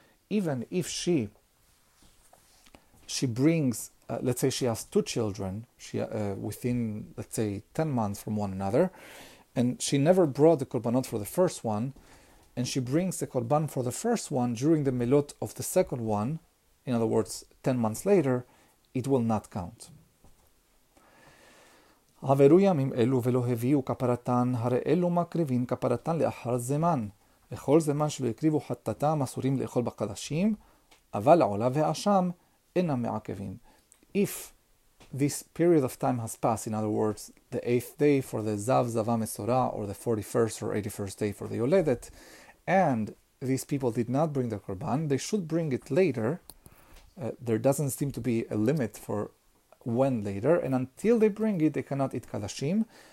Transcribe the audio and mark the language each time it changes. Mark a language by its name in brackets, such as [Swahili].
[English] Even if she brings, let's say she has two children, within, let's say, 10 months from one another, and she never brought the korbanot for the first one, and she brings the korban for the first one during the melot of the second one, in other words, 10 months later, it will not count. [Hebrew] עברו ימים אלו ולא הביאו כפרתן, הרי אלו מקריבים כפרתן לאחר זמן. לכל זמן שלא הקריבו חטאתם אסורים לאכול בקדשים, אבל העולה והאשם אינם מעכבים. [English] If this period of time has passed, in other words, the eighth day for the Zav, Zava, Mesorah, or the 41st or 81st day for the Yoledet, and these people did not bring the Korban, they should bring it later. There doesn't seem to be a limit for when later, and until they bring it, they cannot eat Kalashim.